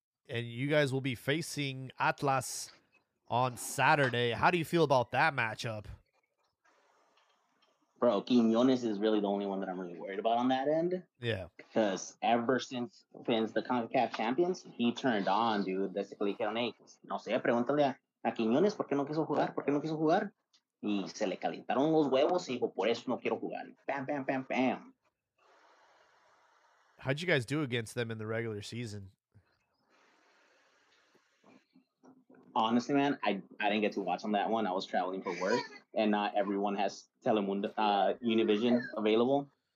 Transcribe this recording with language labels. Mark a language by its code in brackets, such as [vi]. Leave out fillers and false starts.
[en] And you guys will be facing Atlas on Saturday. How do you feel about that matchup? Bro, Quiñones is really the only one that I'm really worried about on that end. Yeah. Because ever since wins the CONCACAF Champions, he turned on, dude. That's what they told me. [es] No sé, pregúntale a Quiñones por qué no quiso jugar, por qué no quiso jugar. Y se le calentaron los huevos y dijo, por eso no quiero jugar. Bam, bam, bam, bam. [en] How'd you guys do against them in the regular season? Honestly, man, I didn't get to watch on that one. I was traveling for work, and not everyone has Telemundo Univision available.